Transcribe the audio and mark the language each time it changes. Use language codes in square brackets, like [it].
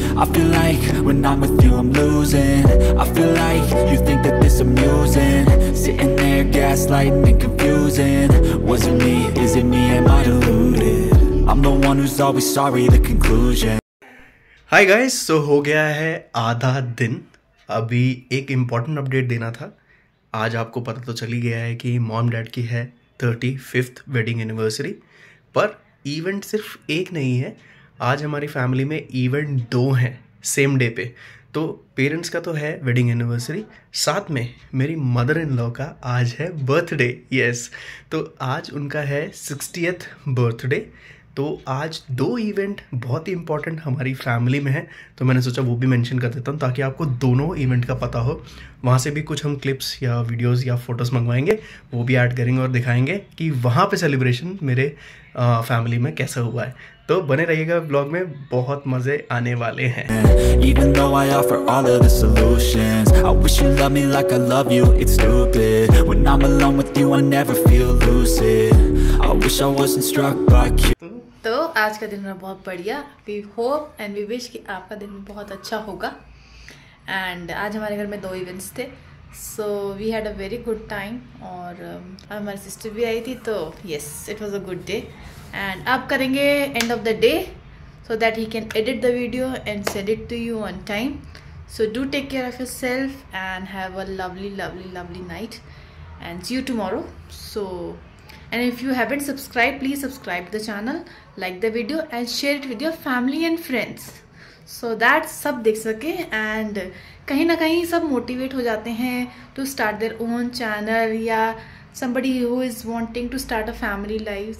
[en] I feel like when I'm with you I'm losing. I feel like you think that this amusing. Sitting there gaslighting and confusing. Was it me, is it me, am I deluded? I'm the one who's always sorry, the conclusion. [hi] Hi guys, so ho gaya hai aadha din. अभी एक important update देना था. आज आपको पता तो चल ही गया है कि मॉम डैड की है 35th वेडिंग एनिवर्सरी. पर इवेंट सिर्फ एक नहीं है, आज हमारी फैमिली में इवेंट दो हैं सेम डे पे. तो पेरेंट्स का तो है वेडिंग एनिवर्सरी, साथ में मेरी मदर इन लॉ का आज है बर्थडे. यस, तो आज उनका है 60th बर्थडे. तो आज दो इवेंट बहुत ही इम्पॉर्टेंट हमारी फैमिली में है. तो मैंने सोचा वो भी मेंशन कर देता हूँ ताकि आपको दोनों इवेंट का पता हो. वहाँ से भी कुछ हम क्लिप्स या वीडियोस या फोटोज़ मंगवाएंगे, वो भी ऐड करेंगे और दिखाएंगे कि वहाँ पे सेलिब्रेशन मेरे फैमिली में कैसा हुआ है. तो बने रहिएगा ब्लॉग में, बहुत मजे आने वाले हैं. [en] Even though I offer all of the solutions, I wish you loved me like I love you, it's stupid. When I'm alone with you, I never feel lucid. I wish I wasn't struck by cute. [hi] तो आज का दिन रहा बहुत बढ़िया. [en] we hope and we wish [hi] कि आपका दिन भी बहुत अच्छा होगा. [en] and [hi] आज हमारे घर में दो इवेंट्स थे, [en] So we had a very good time. [hi] और हमारी सिस्टर भी आई थी, तो [en] Yes it was a good day. And [hi] अब करेंगे [en] End of the day so that he can edit the video and send it to you on time. So do take care of yourself and have a lovely, lovely, lovely night. And see you tomorrow. So, and if you haven't subscribed, please subscribe to the channel, like the video and share it with your family and friends. So that [hi] sab dekh sake [en] and [hi] kahin na kahin sab motivate ho jate hain [en] to start their own channel ya somebody who is wanting to start a family life.